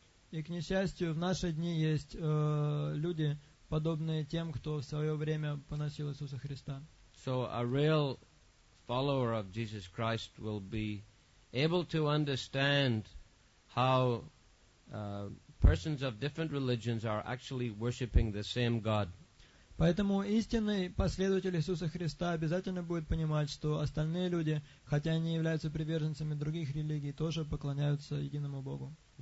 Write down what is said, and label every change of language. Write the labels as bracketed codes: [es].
[ru] И к несчастью, в наши дни есть люди, подобные тем, кто в свое время поносил Иисуса Христа. [en] So a real follower of Jesus Christ will be able to understand how persons of different religions are actually worshiping the same God. [ru] Поэтому истинный последователь Иисуса Христа обязательно будет понимать, что остальные люди, хотя они являются приверженцами других религий, тоже поклоняются единому Богу.